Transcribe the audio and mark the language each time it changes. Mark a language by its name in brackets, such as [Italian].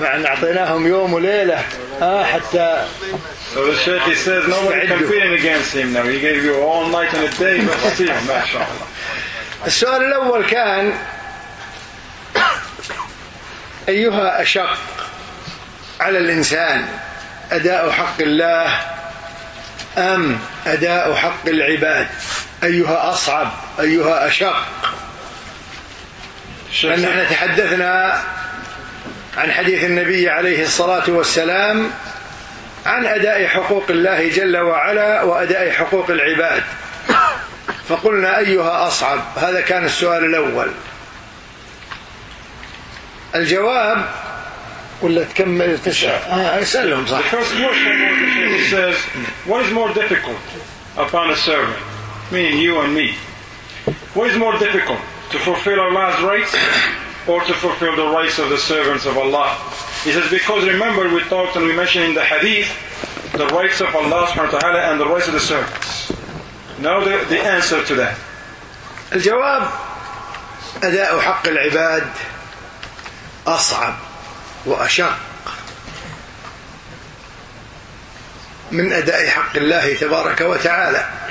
[Arabic] مع أن أعطيناهم يوم وليلة حتى. [English] So the Sheikh he says nobody competing against him now. He gave you all night and a day. [Arabic] ما شاء الله. السؤال الأول كان أيها أشق على الإنسان أداء حق الله أم أداء حق العباد؟ أيها أصعب؟ أيها أشق؟ نحن تحدثنا عن حديث النبي عليه الصلاة والسلام عن أداء حقوق الله جل وعلا وأداء حقوق العباد، فقلنا أيها أصعب؟ هذا كان السؤال الأول. الجواب ولا تكمل اسألهم صح. [English] The first question says, what is more difficult upon a servant, meaning you and me, what is more difficult, to fulfill Allah's rights or to fulfill the rights of the servants of Allah? He says, because remember we talked and we mentioned in the hadith the rights of Allah subhanahu wa ta'ala and the rights of the servants. Now the answer to that. [Arabic] الجواب أداء حق العباد أصعب وأشق من أداء حق الله تبارك وتعالى.